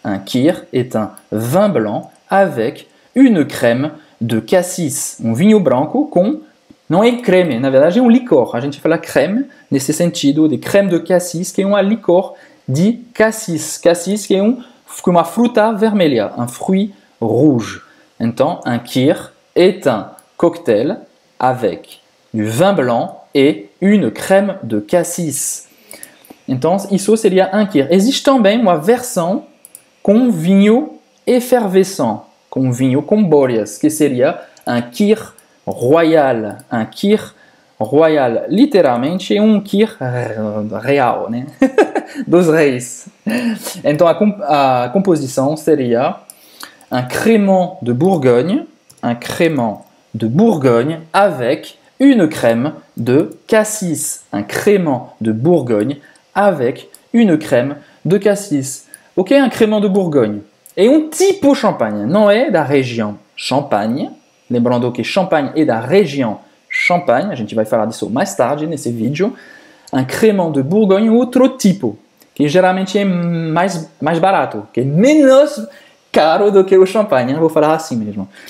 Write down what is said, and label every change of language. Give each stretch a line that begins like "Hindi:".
French: Un kir é vin blanc, avec une crème de cassis.
Portuguese: Un vinho branco com... Não é creme, na verdade é licor. A gente fala crème, nesse sentido, de crème de cassis, que é licor de cassis. Cassis, que é uma fruta vermelha,
French: un fruit rouge. Então, un kir est un cocktail avec du vin blanc et une crème de cassis.
Portuguese: Então, isso seria un kir. Existe também uma versão com vinho effervescent, com vinho com bolhas, que seria un kir royal. Un kir royal, literalmente, é kir real, né? Dos reis. Então, a composição seria
French: un crémant de Bourgogne, un crémant de Bourgogne avec une crème de cassis. Un crémant de Bourgogne avec une crème de cassis. Ok, un crémant de Bourgogne.
Portuguese: É tipo champagne, não é da região champagne. Lembrando que champagne é da região champagne. A gente vai falar disso mais tarde nesse vídeo. Un crémant de Bourgogne, outro tipo, que geralmente é mais barato, que é menos caro do que o champagne. Vou falar assim mesmo.